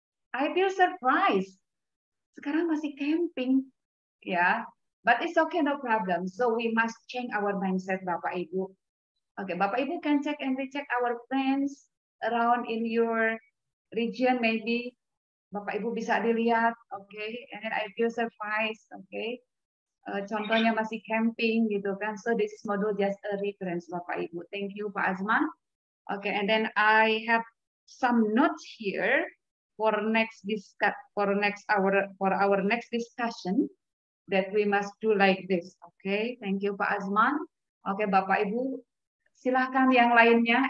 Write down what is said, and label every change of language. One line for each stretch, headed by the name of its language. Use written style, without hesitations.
English: I feel surprised.
Indonesian: Sekarang masih camping,
English: yeah. But it's okay, no problem. So we must change our mindset, Bapak Ibu. Okay, Bapak Ibu can check and recheck our friends around in your region, maybe.
Indonesian: Bapak Ibu bisa dilihat, okay.
English: And then I feel surprised, okay.
Indonesian: Contohnya masih camping gitu kan,
English: so this module just a reference Bapak Ibu. Thank you Pak Azman. Okay, and then I have some notes here for next discussion that we must do like this. Okay, thank you Pak Azman.
Indonesian: Okay, Bapak Ibu, silakan yang lainnya.